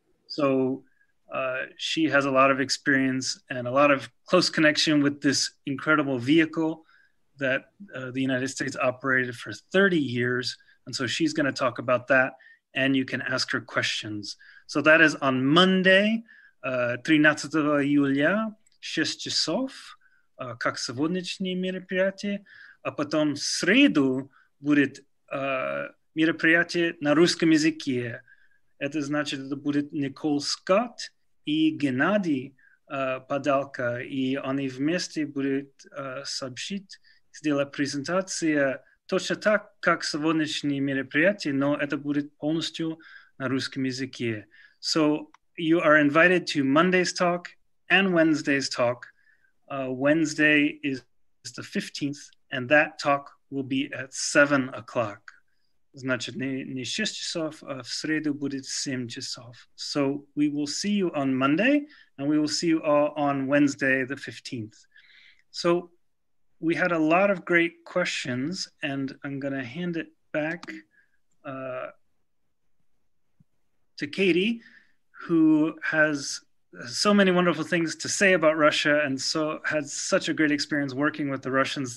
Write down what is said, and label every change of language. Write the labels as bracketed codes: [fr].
[en] So she has a lot of experience and a lot of close connection with this incredible vehicle that the United States operated for 30 years. And so she's gonna talk about that. And you can ask her questions. So that is on Monday, [ru] 13 июля, 6 часов, как сегодняшнее мероприятие. А потом в среду будет мероприятие на русском языке. Это значит, это будет Никол Скотт и Геннадий Подалка. И они вместе будут сообщить, сделать презентацию. Точно так, как сегодняшние мероприятия, но это будет полностью на русском языке. [en] So you are invited to Monday's talk and Wednesday's talk. Wednesday is the 15th, and that talk will be at 7 o'clock. [ru] Значит, не 6 часов, а в среду будет 7 часов. [en] So we will see you on Monday, and we will see you all on Wednesday the 15th. So we had a lot of great questions, and I'm going to hand it back to Cady, who has so many wonderful things to say about Russia and so had such a great experience working with the Russians.